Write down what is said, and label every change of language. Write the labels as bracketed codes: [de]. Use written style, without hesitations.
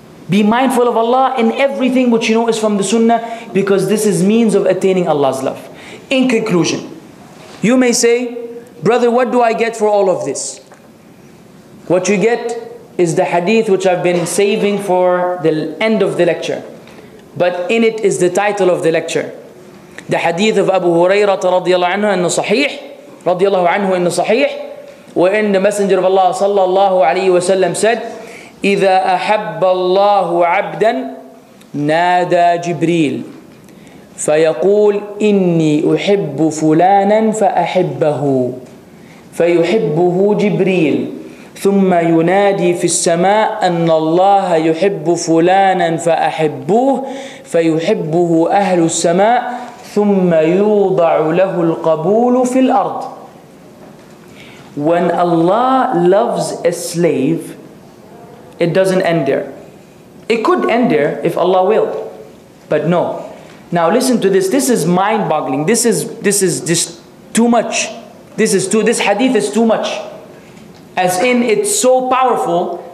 [en] Be mindful of Allah in everything which you know is from the sunnah, because this is means of attaining Allah's love. In conclusion, you may say, brother, what do I get for all of this? What you get is the hadith which I've been saving for the end of the lecture. But in it is the title of the lecture. The hadith of Abu Hurairah radiallahu anhu in the sahih, radiallahu anhu in the sahih, wherein the Messenger of Allah sallallahu alayhi wa sallam said, [ar] إِذَا أَحَبَّ اللَّهُ عَبْدًا نَادَى جِبْرِيلِ فَيَقُولُ إِنِّي أُحِبُّ فُلَانًا فَأَحِبَّهُ فَيُحِبُّهُ جِبْرِيلِ ثُمَّ يُنَادِي فِي السَّمَاءِ أَنَّ اللَّهَ يُحِبُّ فُلَانًا فَأَحِبُّهُ فَيُحِبُّهُ أَهْلُ السَّمَاءِ ثُمَّ يُوضَعُ لَهُ الْقَبُولُ فِي الْأَرْضِ. [en] When Allah loves a slave, it doesn't end there. It could end there if Allah willed, but no. Now listen to this. This is mind-boggling. This is too much. This hadith is too much. As in, it's so powerful.